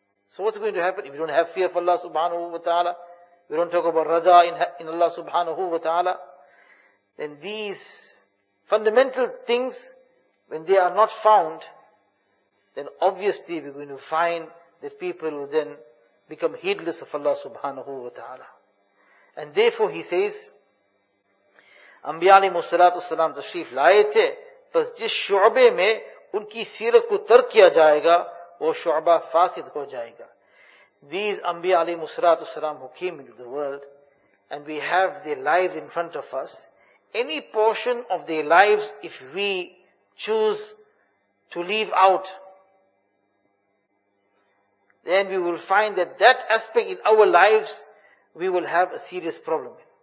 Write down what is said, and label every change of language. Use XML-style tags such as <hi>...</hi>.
<en>So what's going to happen if we don't have fear for Allah subhanahu wa ta'ala? We don't talk about Raja in Allah subhanahu wa ta'ala. Then these fundamental things, when they are not found, then obviously we're going to find that people will then become heedless of Allah subhanahu wa ta'ala. And therefore he says,</en> <ur>انبیاء علیہ الصلوۃ والسلام تشریف لائے تھے پس جس شعبے میں ان کی سیرت کو ترک کیا جائے گا وہ شعبہ فاسد ہو جائے گا.</ur> <en>These انبیاء علیہ الصلوۃ والسلام who came into the world and we have their lives in front of us, any portion of their lives if we choose to leave out, then we will find that that aspect in our lives we will have a serious problem.</en>